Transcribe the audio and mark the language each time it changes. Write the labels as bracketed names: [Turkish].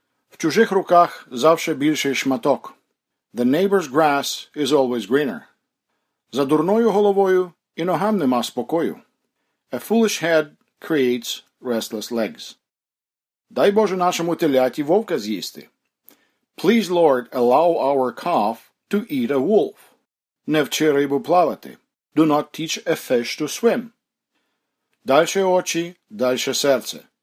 [Ukrainian] В чужих руках завше більший шматок. [English] The neighbor's grass is always greener. [Ukrainian] За дурною головою і ногам нема спокою. [English] A foolish head creates restless legs. [Ukrainian] Дай Боже нашому теляті вовка з'їсти. [English] Please, Lord, allow our calf to eat a wolf. [Ukrainian] Не вчи рибу плавати. [English] Do not teach a fish to swim. [Ukrainian] Дальше очі, дальше серце.